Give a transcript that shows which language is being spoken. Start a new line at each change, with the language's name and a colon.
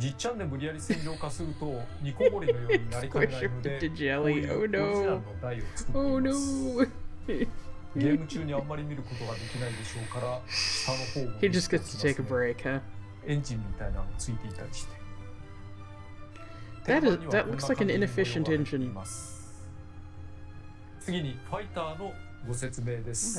Japanese: じっちゃんで無理やり戦場化すると、ニコゴリのようになりかねないので、こういうオリジナルの台を作っています。
English: Oh no.
Japanese: ゲーム中にあんまり見ることができないでしょうから、下の方も。
English: He just gets to take a break, huh?
Japanese: エンジンみたいなのついていたりして。
English: That, is, that looks like an inefficient engine.
Japanese: 次にファイターのご説明です。